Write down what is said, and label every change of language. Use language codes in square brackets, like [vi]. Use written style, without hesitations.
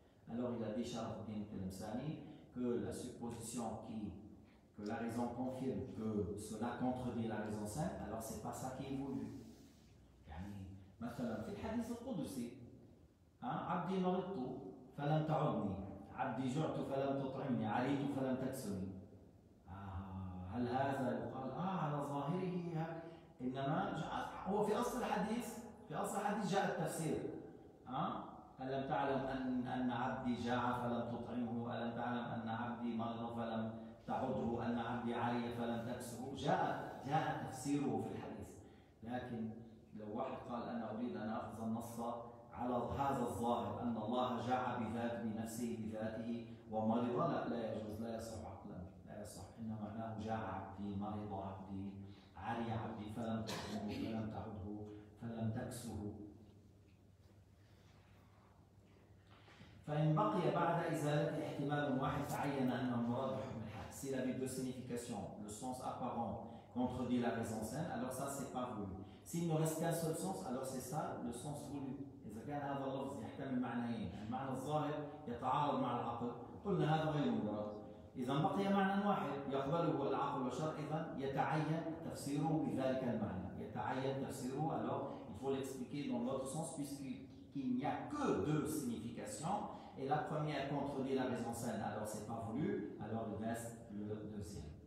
[fr] Alors il a dit Shahruddin Telemsani que la supposition que la raison confirme que cela contredit la raison saine, alors c'est pas ça qui est voulu. [ar] مثلا في الحديث القدسي عبدي مرضت فلم تعدني عبدي جعت فلم تطعمني عريت فلم تكسني هل هذا يقال على ظاهره انما هو في اصل الحديث جاء التفسير ألم تعلم أن عبدي جاع فلم تطعمه؟ ألم تعلم أن عبدي مرض فلم تعده؟ أن عبدي عاري فلم تكسه؟ جاء تفسيره في الحديث. لكن لو واحد قال أنا أريد أن أخذ النص على هذا الظاهر أن الله جاع بذات بنفسه بذاته ومرض، لا يجوز، لا يصح عقلا، لا يصح. إنما معناه جاع عبدي، مرض عبدي، عاري عبدي، فلم تطعمه، فلم تعده، فلم تكسه. فإن بقي بعد إزالة احتمال واحد تعين أن المراد بحكم الحال. [fr] Si la double signification, le sens apparent contredit la raison saine, alors ça c'est pas voulu. S'il ne reste qu'un seul sens, alors c'est ça le sens voulu. [ar] إذا كان هذا اللفظ يحتمل معنيين، المعنى الظاهر يتعارض مع العقل، قلنا هذا غير المراد. إذا بقي معنى واحد يقبله العقل والشرع، إذن يتعين تفسيره بذلك المعنى. يتعين تفسيره. [fr] Alors il faut l'expliquer dans l'autre sens puisque qu'il n'y a que deux significations, et la première contredit la raison saine, alors c'est pas voulu, alors le reste, le deuxième.